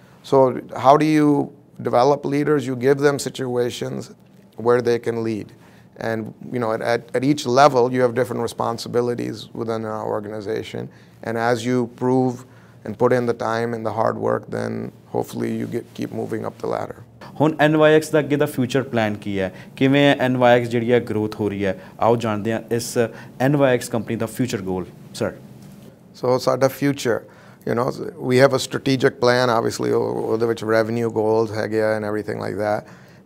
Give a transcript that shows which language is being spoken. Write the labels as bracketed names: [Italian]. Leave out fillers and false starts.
[English] So how do you develop leaders? You give them situations where they can lead. And you know, at each level, you have different responsibilities within our organization. And as you prove and put in the time and the hard work, then hopefully you keep moving up the ladder. [Punjabi] ਹੁਣ NYX ਦਾ ਅੱਗੇ ਦਾ future plan ਕੀ ਹੈ, ਕਿਵੇਂ NYX ਜਿਹੜੀ ਹੈ growth ਹੋ ਰਹੀ ਹੈ, ਆਓ ਜਾਣਦੇ ਹਾਂ ਇਸ NYX ਕੰਪਨੀ ਦਾ ਫਿਊਚਰ ਗੋਲ ਸਰ. ਸੋ ਸਾਡਾ future, [English] you know, we have a strategic plan, obviously, [Punjabi] ਉਹਦੇ ਵਿੱਚ [English] revenue goals [Punjabi] ਹੈਗੇ ਆ [English] and everything like that.